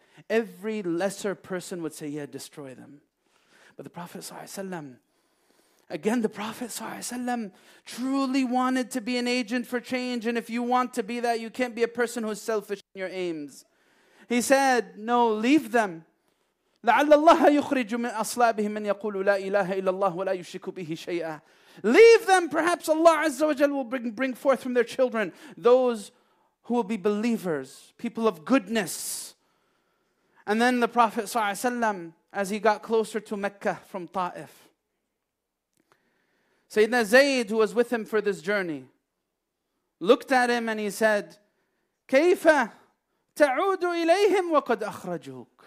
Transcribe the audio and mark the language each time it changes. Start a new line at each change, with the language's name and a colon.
English: Every lesser person would say, yeah, destroy them. But the Prophet ﷺ, again, the Prophet ﷺ truly wanted to be an agent for change. And if you want to be that, you can't be a person who's selfish in your aims. He said, no, leave them.
Arabic: لعل الله يخرج من أصلابهم من يقول لا إله إلا الله ولا يشرك به شيئا.
English: Leave them, perhaps Allah Azza wa Jal will bring forth from their children those who will be believers, people of goodness. And then the Prophet Sallallahu Alaihi Wasallam, as he got closer to Mecca from Ta'if, Sayyidina Zayd, who was with him for this journey, looked at him and he said,
Arabic: كَيْفَ تَعُودُ إِلَيْهِمْ وَقَدْ أَخْرَجُوكَ.